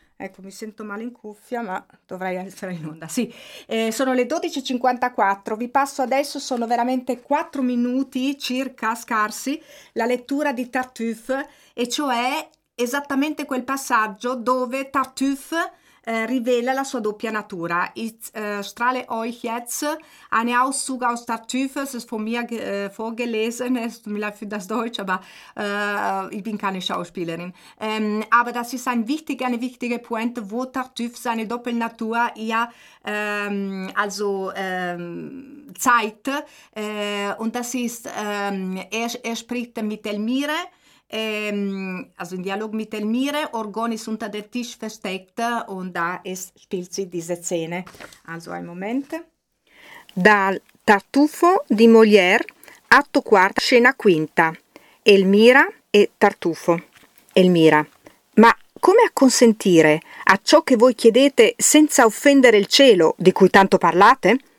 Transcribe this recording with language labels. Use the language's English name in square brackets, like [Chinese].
[Italian] Ecco, mi sento male in cuffia, ma dovrei essere in onda. Sì, sono le 12.54, vi passo adesso, sono veramente 4 minuti circa, scarsi, la lettura di Tartuffe, e cioè esattamente quel passaggio dove Tartuffe rivela la sua doppia natura. [German] Ich strahle euch jetzt eine Auszug aus Tartüffe. Es ist von mir vorgelesen. Es tut mir leid für das Deutsch, aber ich bin keine Schauspielerin. Aber das ist eine wichtige Pointe, wo Tartüffe seine Doppelnatur ihr zeigt. Und das ist, er spricht mit Elmire. Also im Dialog mit Elmire, Orgon ist unter dem Tisch versteckt und da spielt sie diese Szene. Also ein Moment. [Italian] Dal Tartufo di Molière, atto quarto, scena quinta. Elmira e Tartufo. Elmira, ma come acconsentire a ciò che voi chiedete senza offendere il cielo di cui tanto parlate?